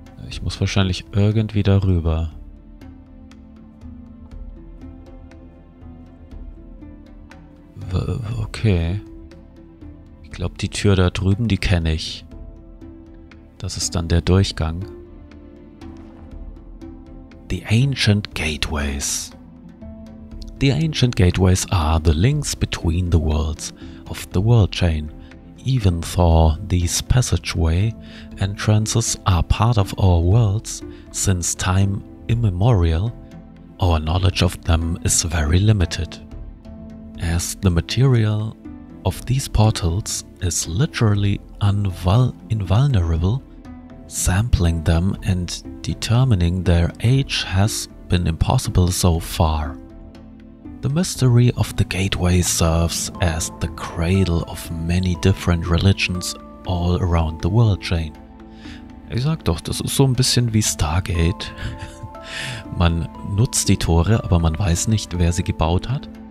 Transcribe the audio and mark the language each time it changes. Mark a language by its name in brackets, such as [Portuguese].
[German] Ich muss wahrscheinlich irgendwie darüber. Okay. Ich glaube, die Tür da drüben, die kenne ich. Das ist dann der Durchgang. [English] The Ancient Gateways are the links between the worlds of the world chain. Even though these passageway entrances are part of our worlds, since time immemorial, our knowledge of them is very limited. As the material of these portals is literally invulnerable, sampling them and determining their age has been impossible so far. The mystery of the gateway serves as the cradle of many different religions all around the world chain. [German] Ich sag doch, das ist so ein bisschen wie Stargate. Man nutzt die Tore, aber man weiß nicht, wer sie gebaut hat.